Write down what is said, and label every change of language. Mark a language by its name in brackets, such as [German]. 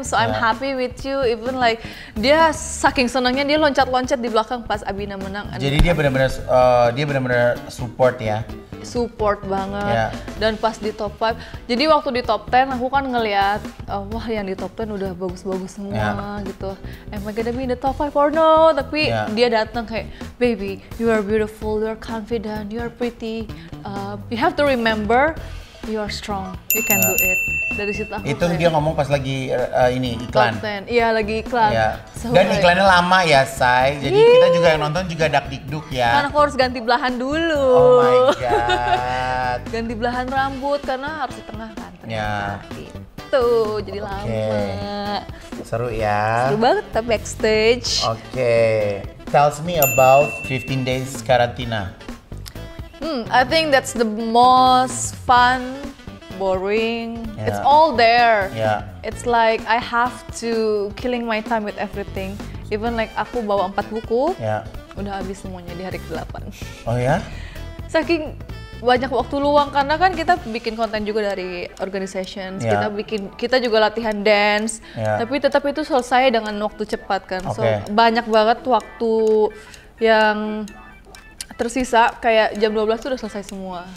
[English] So I'm happy with you. Even like [Indonesian] dia saking senangnya dia loncat-loncat di belakang pas Abina menang. Jadi dia benar-benar support ya. Support banget. Yeah. Dan pas di top 5. Jadi waktu di top 10 aku kan ngelihat wah yang di top 10 udah bagus-bagus semua gitu. [English] Am I gonna be in the top 5 or no? [Indonesian] Tapi dia datang kayak [English] baby, you are beautiful, you are confident, you are pretty. You have to remember you are strong. You can do it. [Indonesian] Dari situ aku itu dia ngomong pas lagi ini iklan. Top 10. Iya, lagi iklan. Yeah. So, dan iklannya lama ya, Shay. Jadi kita juga yang nonton juga dakdikduk ya. Karena aku harus ganti belahan dulu. [English] Oh my god. [Indonesian] Ganti belahan rambut karena harus di tengah kan. Iya. Tuh, jadi lama. Seru ya. Seru banget tapi backstage. [English] Oke. Tells me about 15 days karantina. I think that's the most fun, boring. Yeah. It's all there. Yeah. It's like I have to killing my time with everything. Even like [Indonesian] aku bawa 4 buku, udah habis semuanya di hari ke-8. Oh ya? Saking banyak waktu luang karena kan kita bikin konten juga dari organization. Yeah. Kita bikin kita juga latihan dance. Yeah. Tapi tetap itu selesai dengan waktu cepat kan. [English] Okay. [Indonesian] So banyak banget waktu yang tersisa kayak jam 12 itu udah selesai semua.